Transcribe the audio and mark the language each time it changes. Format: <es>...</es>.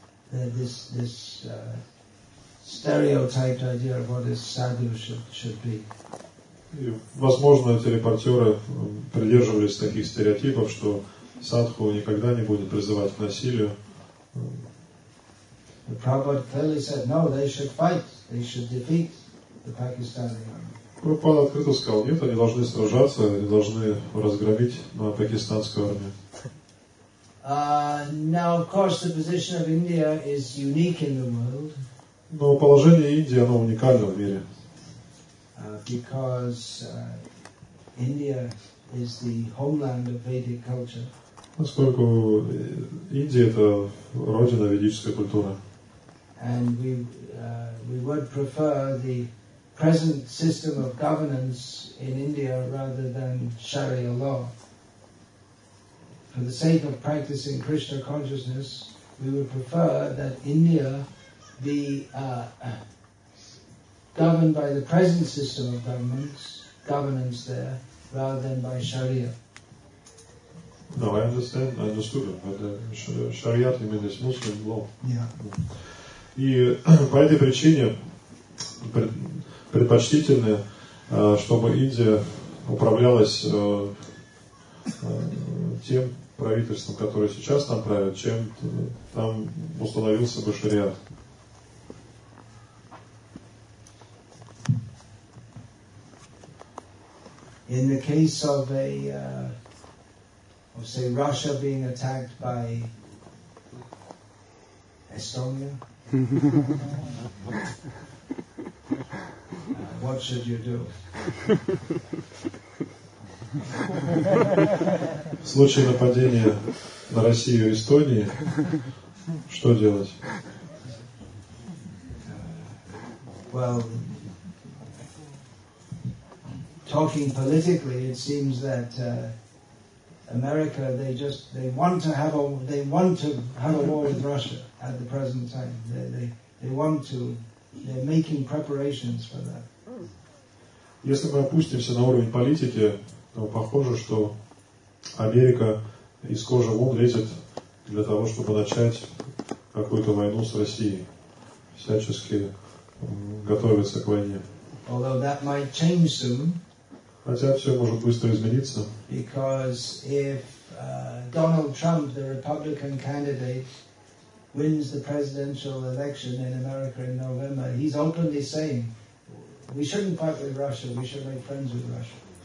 <en>This stereotyped idea of what a sadhu should be.</en> <ru>И, возможно, эти репортеры придерживались таких стереотипов, что садху никогда не будет призывать к насилию.</ru> <en>The Prabhupada clearly said, no, they should fight, they should defeat the Pakistani army.</en> <ru>Прабхупада открыто сказал, нет, они должны сражаться, они должны разгромить на пакистанскую армию.</ru> <en>Now, of course, the position of India is unique in the world.</en> <ru>Но положение Индии, оно уникально в мире.</ru> <en>Because India is the homeland of Vedic culture.</en> <ru>Поскольку Индия это родина ведической культуры.</ru> <en>And we would prefer the present system of governance in India rather than Sharia law. For the sake of practicing Krishna consciousness, we would prefer that India be governed by the present system of governance there, rather than by Sharia. No, I understand. I understood it. But Shariat, you mean, is Muslim law. Yeah.</en> <ru>И по этой причине предпочтительно, чтобы Индия управлялась тем правительством, которое сейчас там правит, чем там установился бы Шариат.</ru> <en>In the case of a, of say Russia being attacked by Estonia, what should you do?</en> <ru>В случае нападения на Россию и Эстонии, что делать?</ru> <en>Well. Talking politically, it seems that America, they want to have a war with Russia at the present time. They're making preparations for that.</en> <ru>Если мы опустимся на уровень политики, то похоже, что Америка из кожи вон лезет для того, чтобы начать какую-то войну с Россией, всячески готовится к войне.</ru> <en>Although that might change soon.</en> <ru>Хотя все может быстро измениться.</ru> <en>Because if Donald Trump, the Republican candidate, wins the presidential election in America in November, he's openly saying, we shouldn't fight with Russia, we should make friends with Russia.</en>